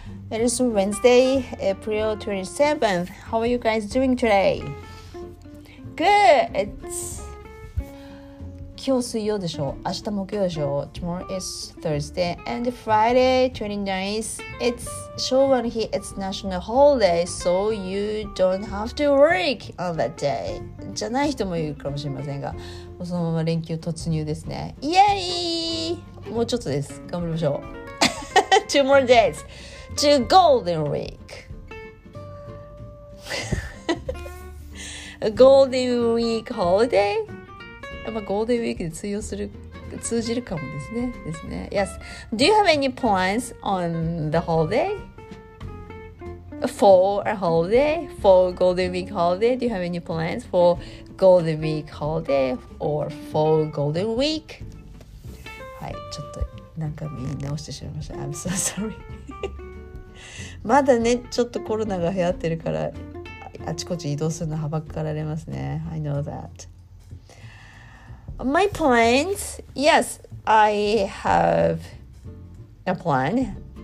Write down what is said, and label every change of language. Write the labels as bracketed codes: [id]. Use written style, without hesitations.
[en] It is Wednesday, April 27th. How are you guys doing today? Good! [ja] It's 今日水曜でしょう。明日木曜でしょう。 [en] Tomorrow is Thursday and Friday 29th. [ja] It's 昭和の日。 [en] It's national holiday, so you don't have to work on that day. [ja] じゃない人もいるかもしれませんが、もうそのまま連休突入ですね。イエーイ！もうちょっとです。頑張りましょう。 [en] Two more days to Golden Week. A Golden Week holiday? [ja] やっぱゴールデンウィークで通用する通じるかもですね。ですね。Yes. [en] Do you have any plans on the holiday? For a holiday? For Golden Week holiday? Do you have any plans for Golden Week holiday? Or for Golden Week? はい。 [ja] ちょっと何回も言い直してしまいました。 [en] I'm so sorry. [ja] まだね、ちょっとコロナが流行ってるから、あちこち移動するのはばかられますね。 [en] I know that. My plans, yes, I have a plan.